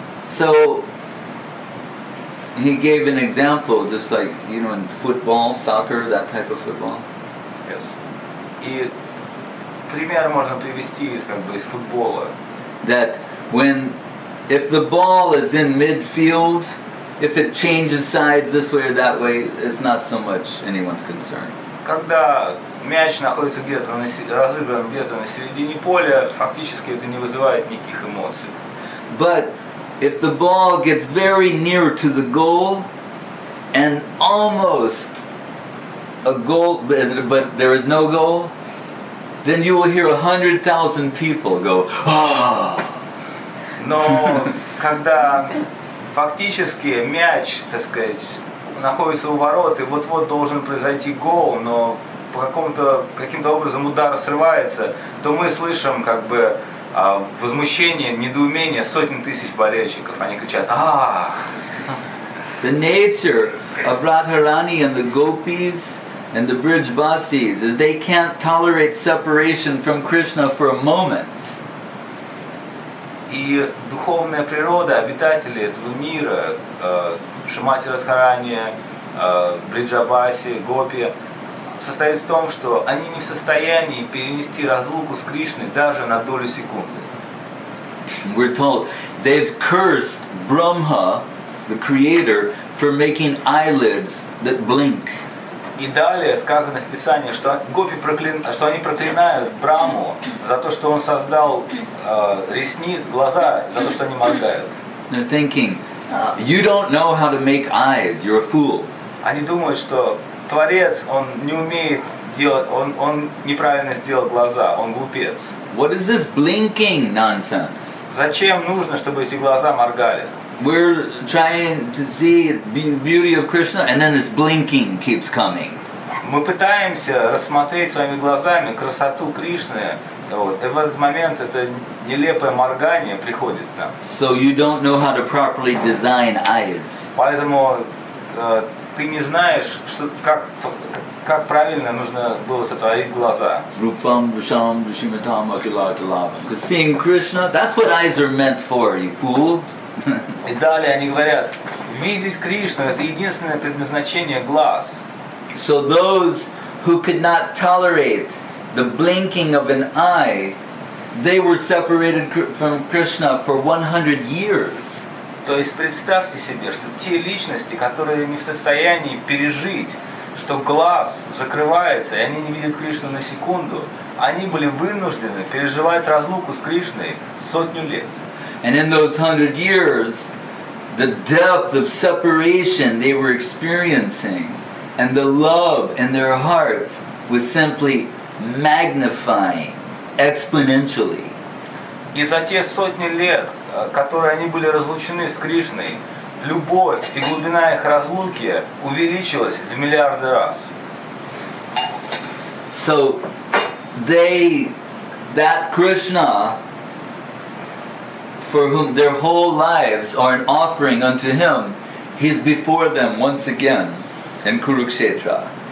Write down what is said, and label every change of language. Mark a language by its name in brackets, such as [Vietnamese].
[English] So, He gave an example, just like, you know, in football, soccer, that type of football. Yes. [Russian] И пример можно привести из как бы из футбола. [English] That when, if the ball is in midfield, if it changes sides this way or that way, it's not so much anyone's concern. [Russian] Когда мяч находится где-то на разыгран где-то на середине поля, фактически это не вызывает никаких эмоций. [English] But if the ball gets very near to the goal and almost a goal, but there is no goal, then you will hear 100,000 people go, ah. [Russian] Но когда фактически мяч, так сказать, находится у ворот и вот-вот должен произойти гол, но по какому-то каким-то образом удар срывается, то мы слышим как бы возмущение, недоумение сотен тысяч болельщиков. Они кричат: «Ах!» [English] The nature of Radharani and the gopis and the Brijvasis is they can't tolerate separation from Krishna for a moment. [Russian] И духовная природа обитателей этого мира, Шримати Радхарани, Бриджабаси, гопи, состоит в том, что они не в состоянии перенести разлуку с Кришной даже на долю секунды. [English] We're told they've cursed Brahma, the creator, for making eyelids that blink. [Russian] И далее сказано в Писании, что гопи что они проклинают Брахму за то, что он создал ресниц, глаза, за то, что они моргают. [English] They're thinking, you don't know how to make eyes, you're a fool. [Russian] Они думают, что Творец, он не умеет делать, он неправильно сделал глаза, он глупец. [English] What is this blinking nonsense? [Russian] Зачем нужно, чтобы эти глаза моргали? [English] We're trying to see the beauty of Krishna, and then this blinking keeps coming. [Russian] Мы пытаемся рассмотреть своими глазами красоту Кришны, вот, и в этот момент это нелепое моргание приходит к нам. [English] So you don't know how to properly design eyes. [Russian] Поэтому ты не знаешь, что, как правильно нужно было сотворить глаза. [Sanskrit] Rupam, Visham, Vishimitam, Akilatilam. [English] Because seeing Krishna, that's what eyes are meant for, you fool. [Russian] И далее они говорят, видеть Кришну – это единственное предназначение глаз. [English] So those who could not tolerate the blinking of an eye, they were separated from Krishna for 100 years. [Russian] То есть представьте себе, что те личности, которые не в состоянии пережить, что глаз закрывается, и они не видят Кришну на секунду, они были вынуждены переживать разлуку с Кришной сотню лет. [English] And in those 100 years, the depth of separation they were experiencing and the love in their hearts was simply magnifying exponentially. [Russian] И за те сотни лет, которые они были разлучены с Кришной, любовь и глубина их разлуки увеличилась в миллиарды раз. [English] So they, that Krishna, for whom their whole lives are an offering unto him, he's before them once again in Kurukshetra.